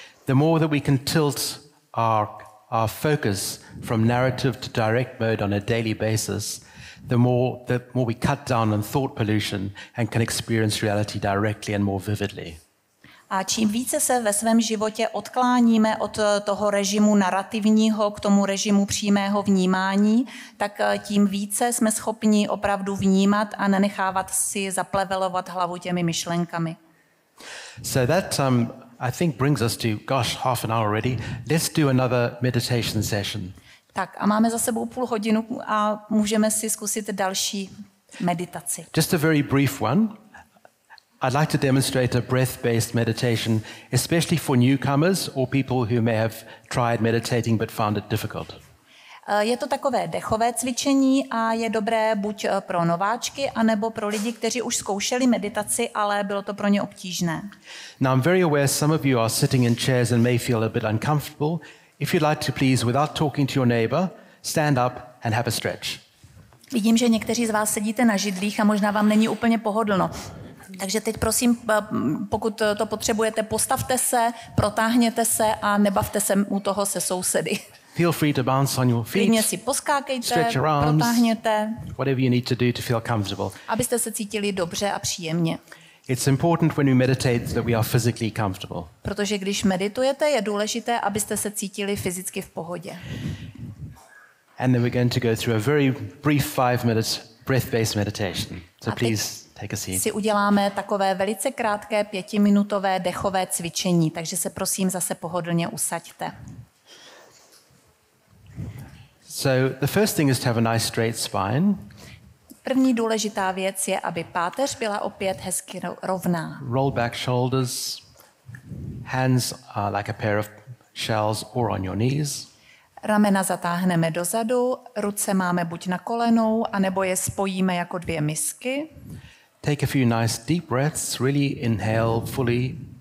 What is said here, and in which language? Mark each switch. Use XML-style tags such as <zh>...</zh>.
<en>The more that we can tilt our focus from narrative to direct mode on a daily basis, the more we cut down on thought pollution and can experience reality directly and more vividly.</en> <cs>A čím více se ve svém životě odkláníme od toho režimu narrativního k tomu režimu přímého vnímání, tak tím více jsme schopni opravdu vnímat a nenechávat si zaplevelovat hlavu těmi myšlenkami.</cs> <en>So that I think brings us to, gosh, half an hour already. Let's do another meditation session.</en> <cs>Tak a máme za sebou půl hodinu a můžeme si zkusit další meditaci.</cs> <en>Just a very brief one. I'd like to demonstrate a breath-based meditation, especially for newcomers or people who may have tried meditating but found it difficult.</en> <cs>Je to takové dechové cvičení a je dobré buď pro nováčky, anebo pro lidi, kteří už zkoušeli meditaci, ale bylo to pro ně obtížné.</cs> <en>Now I'm very aware some of you are sitting in chairs and may feel a bit uncomfortable. If you'd like to please, without talking to your neighbor, stand up and have a stretch.</en> <cs>Vidím, že někteří z vás sedíte na židlích a možná vám není úplně pohodlno. Takže teď prosím, pokud to potřebujete, postavte se, protáhněte se a nebavte se u toho se sousedy.</cs> <en>Feel free to bounce on your feet.</en> <cs>Klidně si poskákejte,</cs> <en>stretch your arms,</en> <cs>protáhněte.</cs> <en>Whatever you need to do to feel comfortable.</en> <cs>Abyste se cítili dobře a příjemně.</cs> <en>It's important when we meditate that we are physically comfortable.</en> <cs>Protože když meditujete, je důležité, abyste se cítili fyzicky v pohodě.</cs> <en>And then we're going to go through a very brief 5 minutes breath-based meditation. So please take a seat.</en> <cs>Si uděláme takové velice krátké 5-minutové dechové cvičení, takže se prosím zase pohodlně usaďte.</cs> <en>So the first thing is to have a nice straight spine.</en> <cs>První důležitá věc je, aby páteř byla opět hezky rovná.</cs> <en>Roll back shoulders. Hands are like a pair of shells or on your knees.</en> <cs>Ramena zatáhneme dozadu, ruce máme buď na kolenou, anebo je spojíme jako dvě misky.</cs> <en>Take a few nice deep breaths, really inhale fully.</en>